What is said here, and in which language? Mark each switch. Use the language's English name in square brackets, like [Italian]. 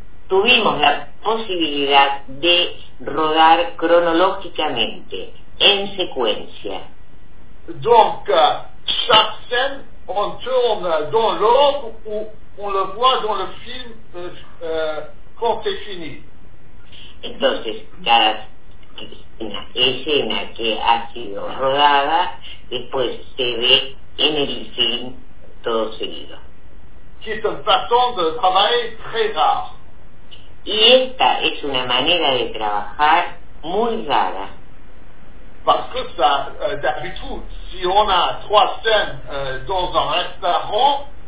[Spanish] Tuvimos la posibilidad de rodar cronológicamente, en secuencia. [French] Donc, chaque scène, on tourne dans l'ordre où on le voit dans le film quand c'est fini. [Spanish] Entonces, cada escena que ha sido rodada, después se ve en el film todo seguido. [French] Qui est une façon de travailler très rare. [Spanish] Y esta es una manera de trabajar muy rara. Porque, [French] d'habitude, si on a trois scènes dans un restaurant,